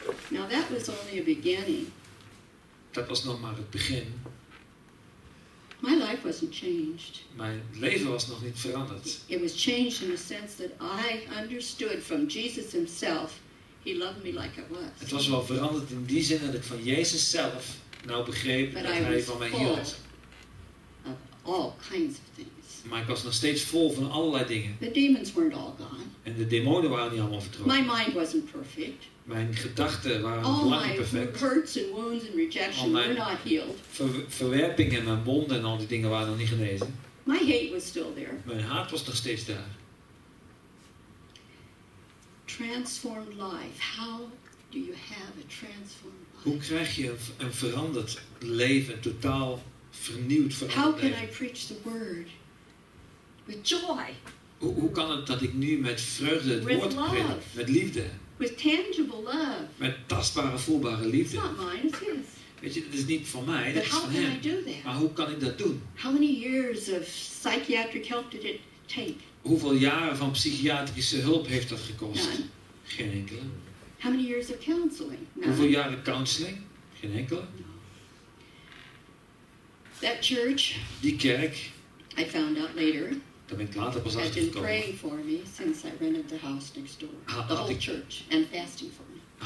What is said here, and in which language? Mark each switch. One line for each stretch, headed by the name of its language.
English: Now that was only a beginning.
Dutch: Dat was nog maar het begin.
English: My life wasn't changed.
Dutch: Mijn leven was nog niet veranderd.
English: It was changed in the sense that I understood from Jesus himself, he loved me like I was.
Dutch: Het was wel veranderd in die zin dat ik van Jezus zelf nou begreep
English: but
Dutch: dat hij van mij hield.
English: Of all kinds of things.
Dutch: Maar ik was nog steeds vol van allerlei dingen.
English: The demons weren't all gone.
Dutch: En de demonen waren niet allemaal vertrokken.
English: My mind wasn't perfect.
Dutch: Mijn gedachten waren lang perfect.
English: Hurts and wounds and rejection were not healed.
Dutch: Verwerping en mijn wonden en al die dingen waren nog niet genezen.
English: My hate was still there.
Dutch: Mijn haat was nog steeds daar.
English: Transformed life. How do you have a transformed life?
Dutch: Hoe krijg je een veranderd leven, een totaal vernieuwd veranderd
English: How can
Dutch: leven?
English: I preach the word with joy?
Dutch: Hoe kan het dat ik nu met vreugde het woord preek, met liefde?
English: With tangible love.
Dutch: Met tastbare, voelbare liefde.
English: It's not mine, it's his.
Dutch: Weet je, dat is niet van mij, dat is van hem. Maar hoe kan ik dat doen?
English: How many years of psychiatric help did it take?
Dutch: Hoeveel jaren van psychiatrische hulp heeft dat gekost?
English: None.
Dutch: Geen enkele.
English: How many years of counseling? None.
Dutch: Hoeveel jaren counseling? Geen enkele.
English: No. That church.
Dutch: Die kerk.
English: I found out later.
Dutch: Daar ben ik later pas achter gekomen.
English: Had been praying for me since I rented the house next door. The whole church and fasting for me.